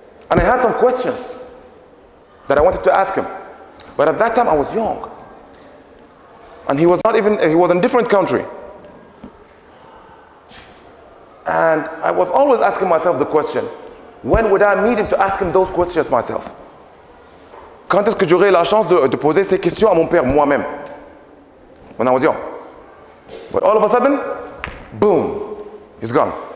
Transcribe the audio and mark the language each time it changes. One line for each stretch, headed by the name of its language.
English: And I had some questions that I wanted to ask him. But at that time I was young. And he was in a different country. And I was always asking myself the question, when would I meet him to ask him those questions myself?
French: Quand est-ce que j'aurai la chance de poser ces questions à mon père moi-même?
English: When I was young. But all of a sudden, boom, he's gone.